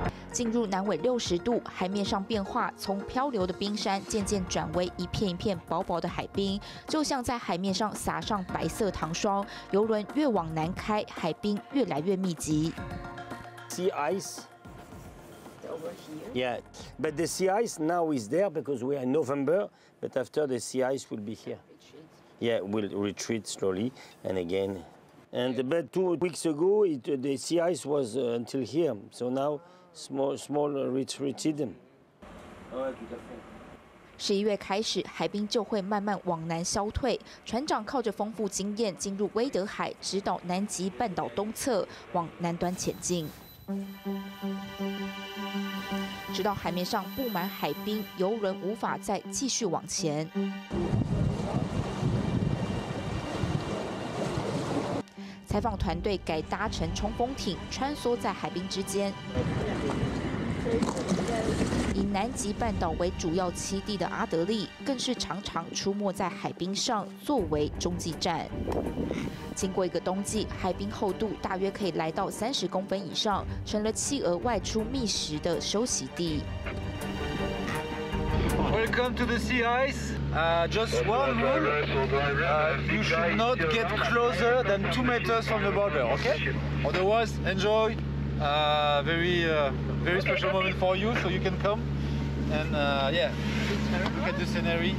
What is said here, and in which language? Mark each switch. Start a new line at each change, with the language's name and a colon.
Chinese: 进入南纬60度，海面上变化从漂流的冰山渐渐转为一片一片薄薄的海冰，就像在海面上撒上白色糖霜。游轮越往南开，海冰越来越密集。
English: Sea ice. Over here. Yeah, but the sea ice now is there because we are in November. But after the sea ice will be here. Yeah, will retreat slowly and again. And but 2 weeks ago, the sea ice was until here. So now. Small retreated them.
Chinese: 11月开始，海冰就会慢慢往南消退。船长靠着丰富经验进入威德海，直到南极半岛东侧，往南端前进。直到海面上布满海冰，游轮无法再继续往前。采访团队改搭乘冲锋艇，穿梭在海冰之间。以南极半岛为主要栖地的阿德利，更是常常出没在海冰上作为中继站。经过一个冬季，海冰厚度大约可以来到30公分以上，成了企鹅外出觅食的休息地。
English: Welcome to the sea ice. Just one rule: you should not get closer than 2 meters from the border. Okay? Otherwise, enjoy. Very special moment for you, so you can come and look at the scenery.